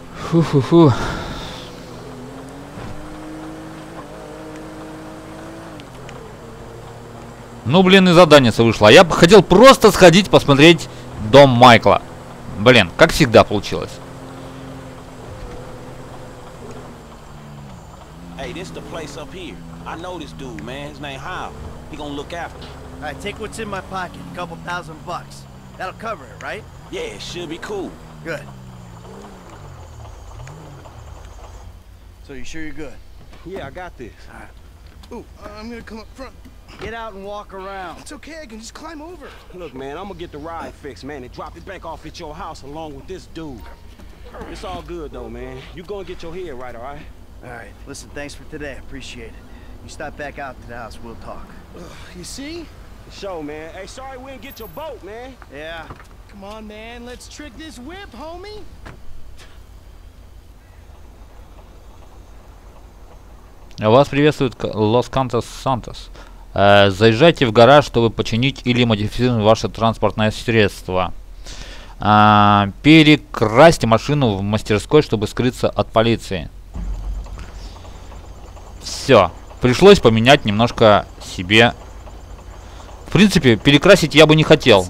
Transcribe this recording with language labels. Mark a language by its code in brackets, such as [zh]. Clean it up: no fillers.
[ru] Фу-фу-фу. Ну, блин, и задание вышло. Я бы хотел просто сходить посмотреть дом Майкла. Блин, как всегда получилось. [en] Hey, this the place up here. I know this dude, man. His name Hal. He gonna look after me. All right, take what's in my pocket. A couple thousand bucks. That'll cover it, right? Yeah, it should be cool. Good. So you sure you're good? Yeah, I got this. All right. Ooh, I'm gonna come up front. Get out and walk around. It's okay, I can just climb over. Look, man, I'm gonna get the ride fixed, man, and drop it back off at your house along with this dude. It's all good, though, man. You go and get your head right, all right? All right, listen, thanks for today. I appreciate it. You stop back out to the house, we'll talk. Ugh, you see? Show, man. Hey, sorry we didn't get your boat, man. Yeah. Come on, man, let's trick this whip, homie. [ru] Вас приветствует Los Cantos Santos. Заезжайте в гараж, чтобы починить или модифицировать ваше транспортное средство. Перекрасьте машину в мастерской, чтобы скрыться от полиции. Все. Пришлось поменять немножко себе. В принципе, перекрасить я бы не хотел.